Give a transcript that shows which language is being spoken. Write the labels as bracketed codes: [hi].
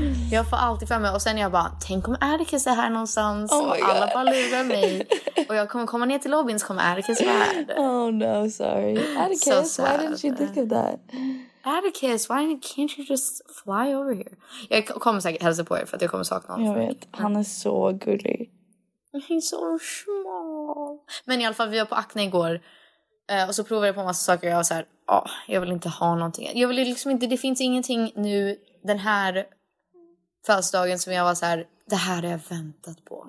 [sv] Jag får alltid för mig. Och sen jag bara, tänk om Atticus är här någonstans. Oh, och alla bara lurar mig. Och jag kommer komma ner till lobbyn så kommer Atticus vara här. [en] Oh no, sorry. Atticus, so why didn't you think of that? Atticus, why can't you just fly over here? [sv] Jag kommer säkert hälsa på er för att jag kommer sakna honom. Jag vet, han är så gullig. Han är så smal. Men i alla fall, vi var på Acne igår. Och så provade jag på en massa saker. Jag var såhär, jag vill inte ha någonting. Jag vill liksom inte, det finns ingenting nu den här födelsedagen som jag var så här, det här har jag väntat på.